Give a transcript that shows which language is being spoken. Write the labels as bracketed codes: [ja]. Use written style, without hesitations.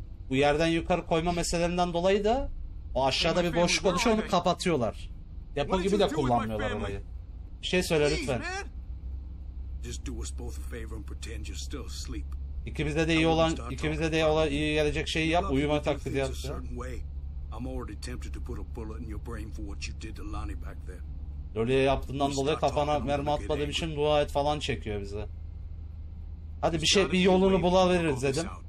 [tr] Bu yerden yukarı koyma meselelerinden dolayı da o aşağıda bir boşluk oluşuyor, onu kapatıyorlar. Depo gibi de kullanmıyorlar orayı. Bir şey söyle lütfen. [en] Just do us both a favor and pretend you're still asleep. [tr] İkimize de iyi olan, ikimize de iyi gelecek şeyi yap, uyuma taktiği yap. [en] I'm already tempted to put a bullet in your brain for what you did to Lonnie back there. [tr] Lonnie'ye yaptığından dolayı kafana mermi atmadığım için dua et falan çekiyor bize. Hadi bir şey, bir yolunu bulabiliriz dedim.